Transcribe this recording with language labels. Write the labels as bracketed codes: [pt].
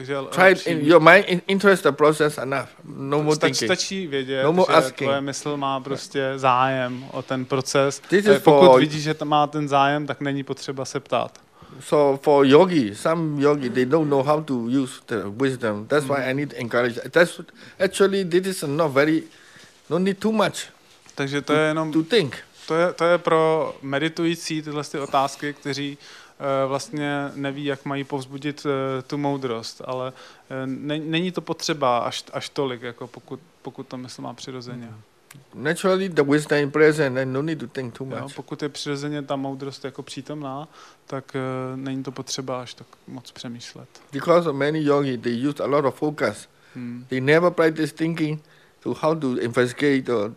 [en] Try in your mind interest the process enough. No more thinking. [cs] Stačí vědět, [en] no more asking. [cs] Tvoje mysl má prostě zájem o ten proces. [en] This is [cs] pokud for, vidíš, že má ten zájem, tak není potřeba se ptát. [en] So for yogi, some yogi, they don't know how to use the wisdom. That's why I need encourage. That's actually this is not very, no need too much. [cs] Takže to je jenom [en] to think. [cs] To je pro meditující tyhle ty otázky, kteří vlastně neví, jak mají povzbudit tu moudrost, ale není to potřeba až tolik, jako pokud to mysl má přirozeně. [en] Naturally the wisdom is present and no need to think too much. [cs] Pokud je přirozeně ta moudrost jako přítomná, tak není to potřeba až tak moc přemýšlet. [en] Because of many yogi, they use a lot of focus. They never practice thinking to how to investigate.